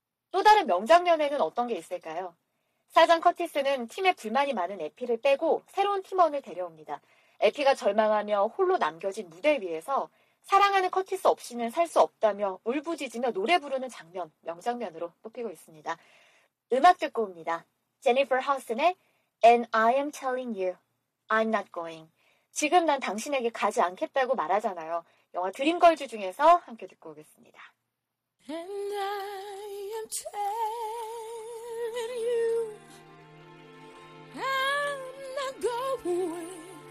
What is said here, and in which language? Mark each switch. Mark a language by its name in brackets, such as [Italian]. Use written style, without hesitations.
[Korean] 또 다른 명장면에는 어떤 게 있을까요? 사장 커티스는 팀에 불만이 많은 에피를 빼고 새로운 팀원을 데려옵니다. 에피가 절망하며 홀로 남겨진 무대 위에서 사랑하는 커티스 없이는 살 수 없다며 울부짖으며 노래 부르는 장면, 명장면으로 뽑히고 있습니다. 음악 듣고 옵니다. 제니퍼 허슨의 [English] And I am telling you, I'm not going. [Korean] 지금 난 당신에게 가지 않겠다고 말하잖아요. 영화 드림걸즈 중에서 함께 듣고 오겠습니다. [English] And I am telling you, I'm not going.